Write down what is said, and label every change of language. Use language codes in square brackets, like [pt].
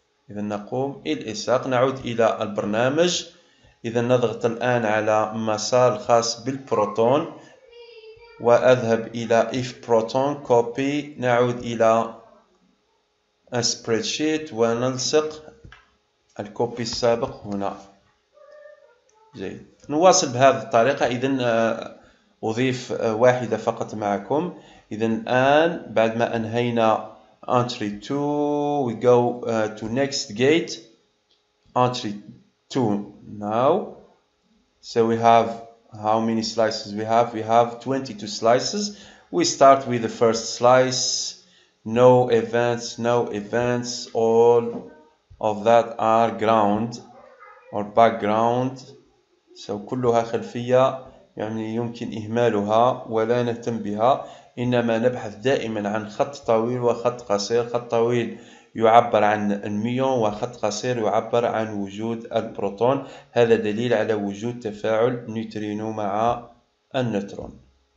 [ar] إذا نقوم الإساق، نعود إلى البرنامج. إذا نضغط الآن على مسار خاص بالبروتون وأذهب إلى إف بروتون كوبي، نعود إلى سبريد شيت وننسق الكوبي السابق هنا. جيد، نواصل بهذه الطريقة. إذا أضيف واحدة فقط معكم، إذا الآن بعد ما أنهينا [en] entry 2, we go to next gate, entry 2 now. So we have how many slices we have? We have 22 slices. We start with the first slice, no events, no events, all of that are ground or background. [ar] So كلها خلفية يعني يمكن إهمالها ولا نهتم بها، إنما نبحث دائما عن خط طويل وخط قصير. خط طويل يعبر عن الميون وخط قصير يعبر عن وجود البروتون، هذا دليل على وجود تفاعل نيوترينو مع النيوترون.